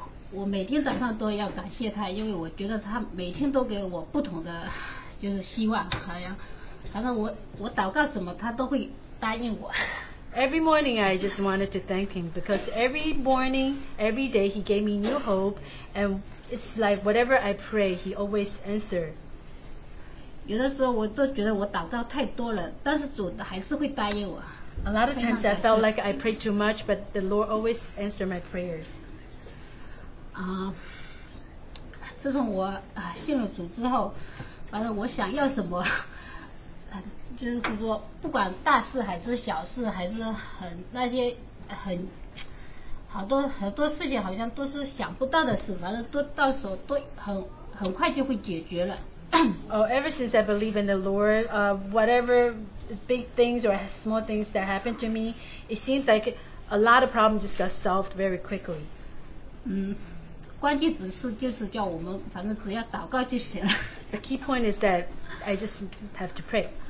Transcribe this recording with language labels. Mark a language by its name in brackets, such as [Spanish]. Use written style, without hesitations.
[Chinese] 我每天早上都要感谢他，因为我觉得他每天都给我不同的就是希望，好像反正我祷告什么他都会答应我。 [English] Every morning I just wanted to thank him because every morning, every day he gave me new hope, and it's like whatever I pray, he always answered. [Chinese] 有的时候我都觉得我祷告太多了，但是主还是会答应我。 [English] A lot of times I felt like I prayed too much, but the Lord always answered my prayers. [Chinese] 自从我信了主之后，反正我想要什么，就是说不管大事还是小事，还是很好多很多事情，好像都是想不到的事，反正都到手都很快就会解决了。 [English] Oh, ever since I believe in the Lord, whatever big things or small things that happen to me, it seems like a lot of problems just got solved very quickly. [Chinese] 关键只是就是叫我们反正只要祷告就行了。 [English] The key point is that I just have to pray.